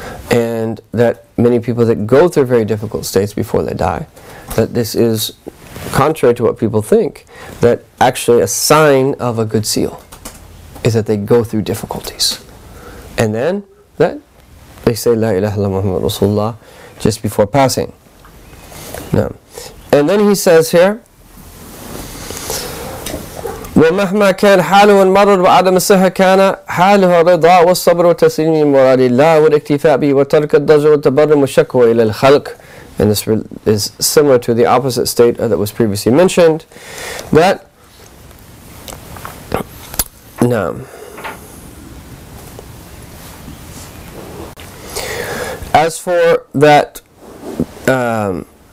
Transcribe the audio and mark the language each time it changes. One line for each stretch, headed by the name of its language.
English: And that many people that go through very difficult states before they die, that this is contrary to what people think, that actually a sign of a good seal is that they go through difficulties. And then that they say La ilaha illallah Muhammad Rasulullah just before passing. No. And then he says here,
Arabic: ومهما كان حاله المرض وعدم الصحة كان حاله الرضا والصبر وتسليم مراد الله والاكتفاء به وترك الضجر والتبرم والشكوى إلى الخلق.
English: And this is similar to the opposite state that was previously mentioned. That, نعم. As for that, no.